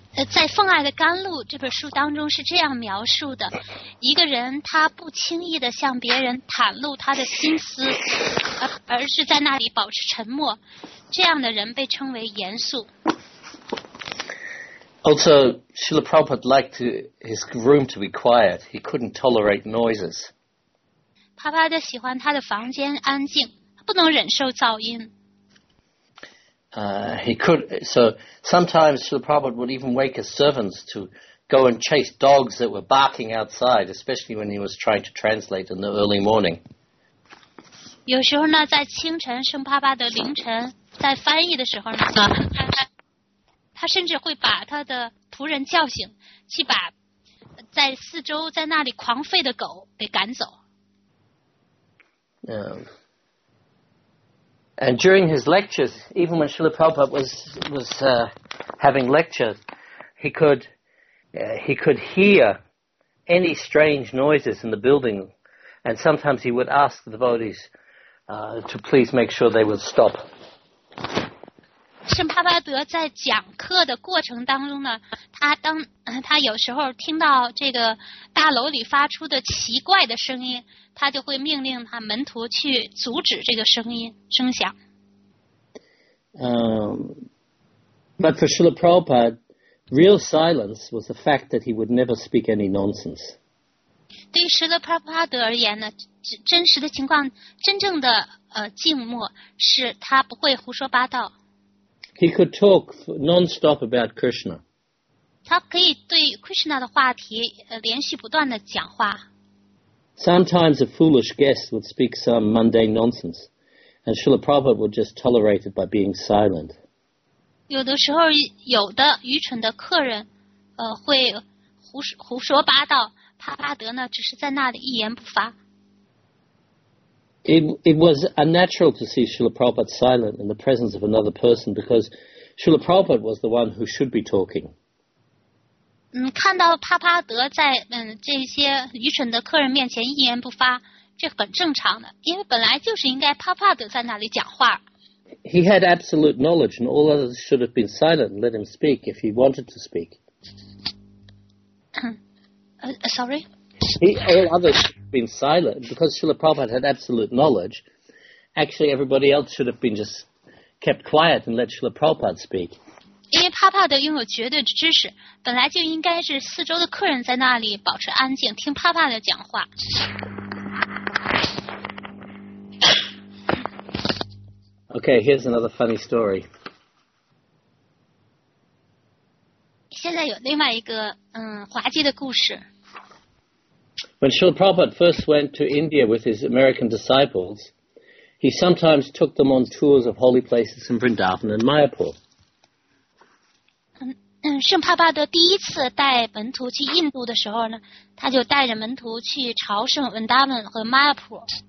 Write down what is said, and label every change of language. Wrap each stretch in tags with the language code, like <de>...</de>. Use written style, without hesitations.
<zh>在《奉爱的甘露》这本书当中是这样描述的：一个人他不轻易地向别人袒露他的心思，而是在那里保持沉默，这样的人被称为严肃。</zh> <en>Also, Srila Prabhupada liked his room to be quiet. He couldn't tolerate noises.</en> <zh>帕帕德喜欢他的房间安静，不能忍受噪音。</zh> <en>So sometimes Srila Prabhupada would even wake his servants to go and chase dogs that were barking outside, especially when he was trying to translate in the early morning.</en> <zh>有时候呢，在清晨，圣帕帕德凌晨在翻译的时候呢，他甚至会把他的仆人叫醒，去把在四周在那里狂吠的狗给赶走。</zh> <en>And during his lectures, even when Srila Prabhupada was having lectures, he could hear any strange noises in the building, and sometimes he would ask the devotees to please make sure they would stop.</en> <zh>圣帕帕德在讲课的过程当中呢，他有时候听到这个大楼里发出的奇怪的声音，他就会命令他门徒去阻止这个声响。</zh> <en>But for Srila Prabhupada, real silence was the fact that he would never speak any nonsense.</en> <zh>对于Śrīla Prabhupāda而言呢，真实的情况，真正的静默是他不会胡说八道。</zh> <en>He could talk non-stop about Krishna.</en> <zh>他可以对 Krishna 的话题连续不断的讲话。</zh> <en>Sometimes a foolish guest would speak some mundane nonsense, and Śrīla Prabhupāda would just tolerate it by being silent.</en> <zh>有的时候，有的愚蠢的客人，会胡说八道，帕帕德呢，只是在那里一言不发。</zh> <en>It was unnatural to see Śrīla Prabhupāda silent in the presence of another person because Śrīla Prabhupāda was the one who should be talking.</en> <zh>看到帕帕德在这些愚蠢的客人面前一言不发，这很正常的，因为本来就是应该帕帕德在那里讲话。</zh> <en>He had absolute knowledge, and all others should have been silent and let him speak if he wanted to speak. Sorry. All others should have been silent because Śrīla Prabhupāda had absolute knowledge. Actually, everybody else should have been just kept quiet and let Śrīla Prabhupāda speak.</en> <zh>因为帕帕德拥有绝对的知识，本来就应该是四周的客人在那里保持安静，听帕帕德讲话。</zh> <en>Okay, here's another funny story.</en> <zh>现在有另外一个滑稽的故事。</zh> <en>When Śrīla Prabhupāda first went to India with his American disciples, he sometimes took them on tours of holy places in Vrindavan and Mayapur.</en> <zh>圣帕帕德第一次带门徒去印度的时候呢，他就带着门徒去朝圣 Vrindavan 和 Mayapur.</zh>